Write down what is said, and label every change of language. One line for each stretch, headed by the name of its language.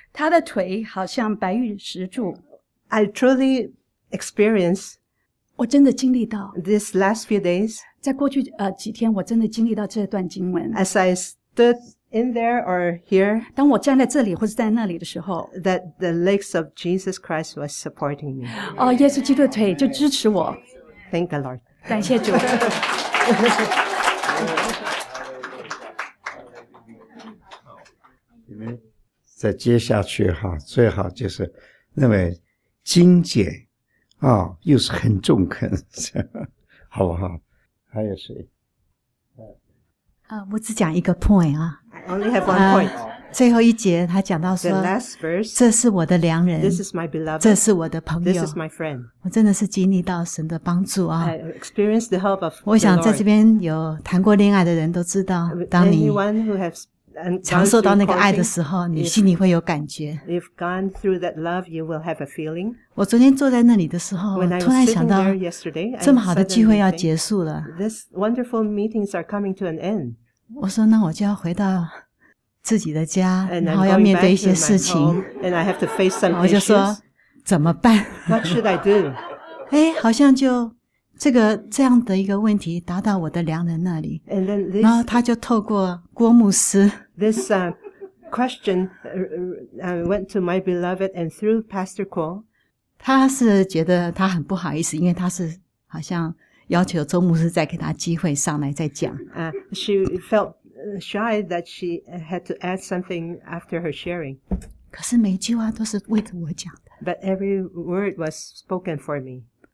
Chinese: 他的腿好像白玉石柱。
English: I truly experience.
Chinese: 我真的经历到。
English: These last few days.
Chinese: 在过去几天我真的经历到这段经文。
English: As I stood in there or here.
Chinese: 当我站在这里或是在那里的时候。
English: That the legs of Jesus Christ was supporting me.
Chinese: 哦，耶稣基督的腿就支持我。
English: Thank the Lord.
Chinese: 感谢主。再接下去哈，最好就是那么精简啊，又是很中肯，好不好？还有谁？我只讲一个 point 啊。
English: I only have one point.
Chinese: 最后一节他讲到说
English: ，The last verse，
Chinese: 这是我的良人
English: ，This is my beloved，
Chinese: 这是我的朋友
English: ，This is my friend。
Chinese: 我真的是经历到神的帮助啊
English: ！I experienced the help of the Lord。
Chinese: 我想在这边有谈过恋爱的人都知道，当你
English: anyone who has
Chinese: 尝受到那个爱的时候，你心里会有感觉。
English: If gone through that love, you will have a feeling.
Chinese: 我昨天坐在那里的时候，突然想到，这么好的机会要结束了。
English: This wonderful meetings are coming to an end.
Chinese: 我说，那我就要回到自己的家，然后要面对一些事情。
English: And I have to face some issues.
Chinese: 我就说，怎么办
English: ？What should I do?
Chinese: 哎，好像就这个这样的一个问题达到我的良人那里
English: and then this,
Chinese: 然后他就透过郭牧师
English: This question went to my beloved and through Pastor Kuo
Chinese: 他是觉得他很不好意思因为他是好像要求周牧师再给他机会上来再讲
English: She felt shy that she had to add something after her sharing
Chinese: 可是每句话都是为着我讲的
English: But every word was spoken for me